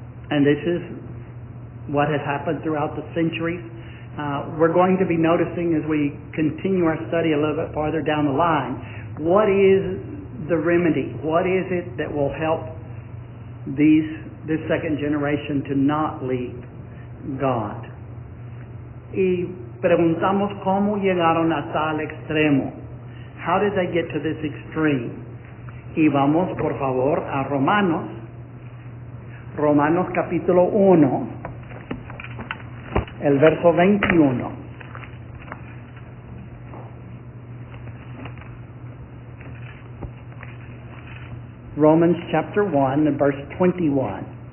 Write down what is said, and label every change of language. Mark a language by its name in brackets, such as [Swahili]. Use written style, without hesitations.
[English] And this is what has happened throughout the centuries. We're going to be noticing, as we continue our study a little bit farther down the line, what is the remedy? What is it that will help this second generation to not leave God? [Spanish] Y preguntamos cómo llegaron a tal extremo. [English] How did they get to this extreme? [Spanish] Y vamos, por favor, a Romanos. Romanos capítulo 1, el verso 21. [English] Romans chapter 1, verse 21.